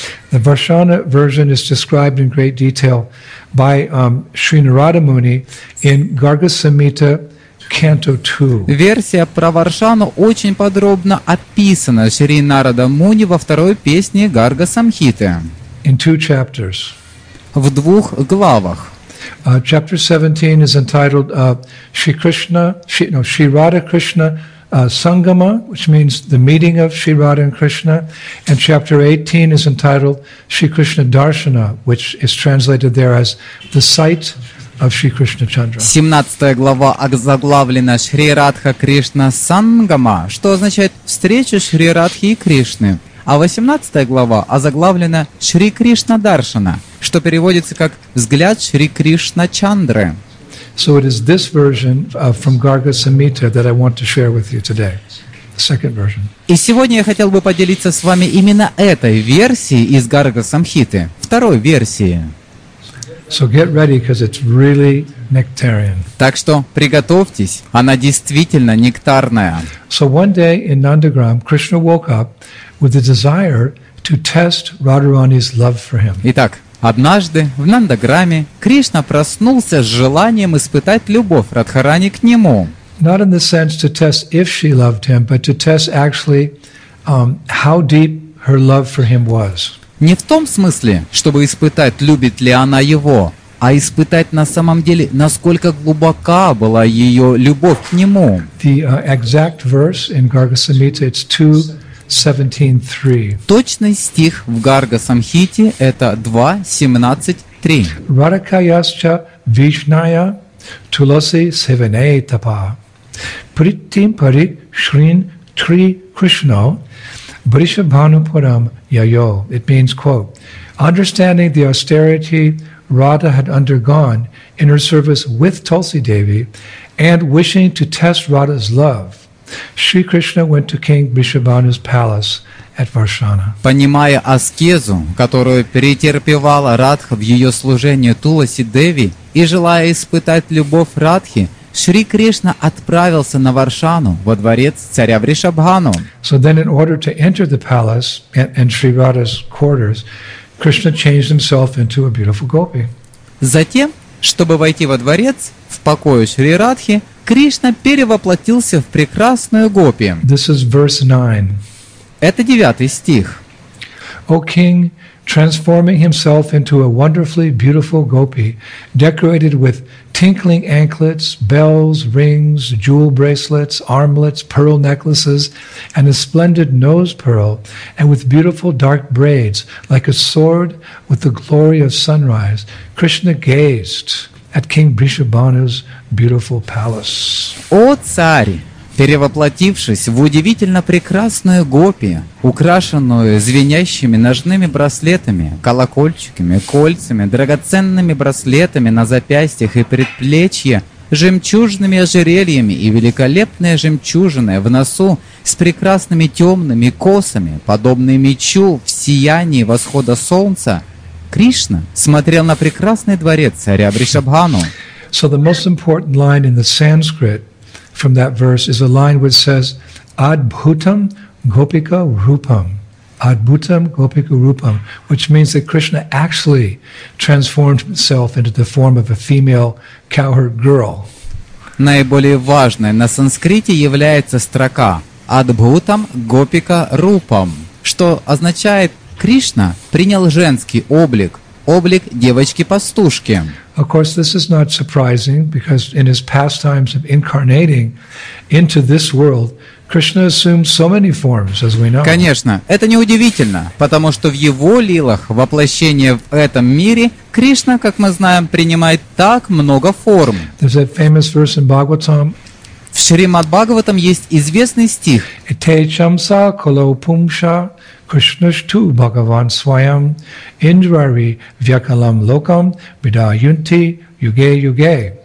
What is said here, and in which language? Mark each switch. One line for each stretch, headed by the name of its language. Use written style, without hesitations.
English: The Varshana version is described in great detail by Sri Narada Muni in Garga Samhita.
Russian: Версия про Варшану очень подробно описана Шри Нарада Муни во второй песне Гарга Самхиты.
English: In two chapters.
Russian: В двух главах.
English: Chapter 17 is entitled Shri Radha Krishna Sangama, which means the meeting of Shri Radha and Krishna, and chapter 18 is entitled Shri Krishna Darshana, which is translated there as the sight of Shri Krishna Chandra.
Russian: 17 глава озаглавлена Шри Радха Кришна Сангама, что означает встреча Шри Радхи и Кришны, а 18 глава озаглавлена Шри Кришна Даршана, что переводится как взгляд Шри Кришна Чандры.
English: So it is this version from Garga Samhita that I want to share with you today. Second version.
Russian: И сегодня я хотел бы поделиться с вами именно этой версией из Гарга Самхиты, второй версии.
English: So get ready, because it's really nectarian.
Russian: Так что приготовьтесь, она действительно нектарная.
English: So one day in Nandagram, Krishna woke up with the desire to test Radharani's love for him.
Russian: Итак, однажды в Нандаграме Кришна проснулся с желанием испытать любовь Радхарани к нему.
English: Not in the sense to test if she loved him, but to test actually how deep her love for him was.
Russian: Не в том смысле, чтобы испытать, любит ли она его, а испытать на самом деле, насколько глубока была ее любовь к нему.
English: The exact verse in Garga Samhita, it's 2:17.3.
Russian: Точный стих в Гарга Самхите – это 2:17.3.
Sanskrit: Радакаяща вишная туласи севенейтапа притим пари шрин три кришно Брисабханупурам Яйо.
English: It means, quote, understanding the austerity Radha had undergone in her service with Tulsi Devi and wishing to test Radha's love, Sri Krishna went to King Brisabhanu's palace at Varshana.
Russian: Понимая аскезу, которую претерпевала Радха в ее служении Туласи Деви, и желая испытать любовь Радхи, Шри Кришна отправился на Варшану, во дворец царя Вришабхану.
English: So then in order to enter the palace and Sri Radha's quarters, Krishna changed himself into a beautiful gopi.
Russian: Затем, чтобы войти во дворец, в покое Шри Радхи, Кришна перевоплотился в прекрасную гопи.
English: This is verse 9.
Russian: Это 9 стих.
English: O king, transforming himself into a wonderfully beautiful gopi, decorated with tinkling anklets, bells, rings, jewel bracelets, armlets, pearl necklaces, and a splendid nose pearl, and with beautiful dark braids, like a sword with the glory of sunrise, Krishna gazed at King Brishabhanu's beautiful palace.
Russian: О царь, перевоплотившись в удивительно прекрасную гопи, украшенную звенящими ножными браслетами, колокольчиками, кольцами, драгоценными браслетами на запястьях и предплечье, жемчужными ожерельями и великолепные жемчужины в носу с прекрасными темными косами, подобные мечу в сиянии восхода солнца, Кришна смотрел на прекрасный дворец царя Вришабхану.
English: So the most important line in the Sanskrit from that verse is a line which says
Sanskrit: Adbhutam Gopika Rupam. Adbhutam Gopika Rupam,
English: which means that Krishna actually transformed himself into the form of a female cowherd girl.
Russian: Наиболее важной на санскрите является строка Адбхутам Гопика Рупам, что означает Кришна принял женский облик, облик девочки-пастушки.
English: Of course, this is not surprising because in his pastimes of incarnating into this world, Krishna assumed so many forms, as we know.
Russian: Конечно, это не удивительно, потому что в его лилах воплощение в этом мире Кришна, как мы знаем, принимает так много форм.
English: There's that famous verse in Bhagavatam.
Russian: В Шримад-Бхагаватам есть известный стих.
Sanskrit: Этечамса колопумша Кришнашту Бхагаван Свайам Индрари Вьякалам Локам Бидаюнти Юге Юге.